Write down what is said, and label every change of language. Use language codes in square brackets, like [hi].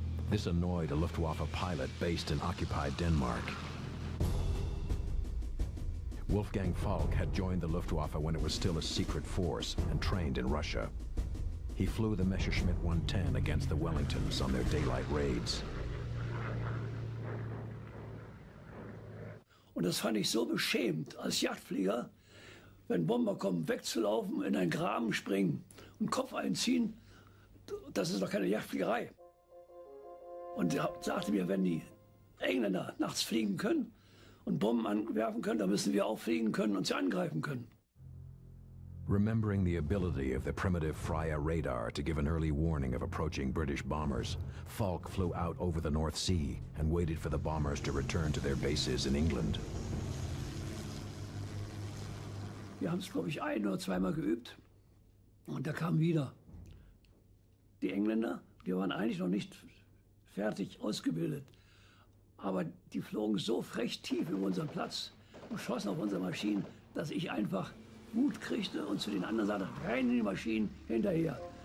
[en] This annoyed a Luftwaffe pilot based in occupied Denmark. Wolfgang Falk had joined the Luftwaffe when it was still a secret force and trained in Russia. He flew the Messerschmitt 110 against the Wellingtons on their daylight raids. [de] Und das fand ich so beschämend als Jagdflieger, wenn Bomber kommen, wegzulaufen, in einen Graben springen und Kopf einziehen, das ist doch keine Jagdfliegerei. Und er sagte mir, wenn die Engländer nachts fliegen können und Bomben anwerfen können, dann müssen wir auch fliegen können und sie angreifen können. [en] Remembering the ability of the primitive Freya radar to give an early warning of approaching British bombers, Falk flew out over the North Sea and waited for the bombers to return to their bases in England. [de] Wir haben es, glaube ich, ein oder zweimal geübt. Und da kamen wieder die Engländer. Die waren eigentlich noch nicht fertig ausgebildet. Aber die flogen so frech tief über unseren Platz und schossen auf unsere Maschinen, dass ich einfach Mut kriegte und zu den anderen sagte, rein in die Maschinen hinterher.